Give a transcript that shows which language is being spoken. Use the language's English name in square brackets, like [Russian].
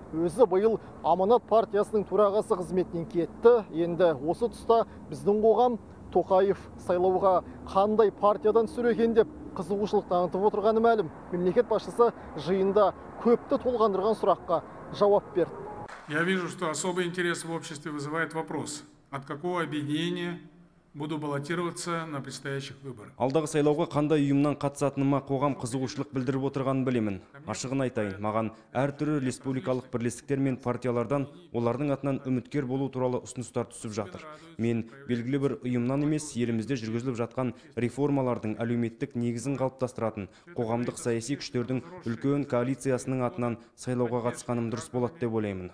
[Kazakh] өзі бұл Аманат партиясының төрағасы қызметінен кетті. Енді осы тұста біздің қоғам Тоқаев сайлауға қандай партиядан сүреген деп қызығушылық танытып отырғаны мәлім. Мемлекет басшысы жиында көпті толғандырған сұраққа жауап берді. [Russian] Я вижу, что особый интерес в обществе вызывает вопрос: от какого объединения буду баллотироваться на предстоящих выборах? [Kazakh] Алдағы сайлауға қандай ұйымнан қатысатыныма қоғам қызығушылық білдіріп отырғанын білемін. Ашығын айтайын, маған әр түрлі республикалық бірлестіктер мен партиялардан олардың атынан үміткер болу туралы ұсыныстар түсіп жатыр. Мен белгілі бір ұйымнан емес, елімізде жүргізіліп жатқан реформалардың әлеуметтік негізін қалыптастыратын қоғамдық саяси күштердің үлкен коалициясының атынан сайлауға қатысқаным дұрыс болады деп ойлаймын.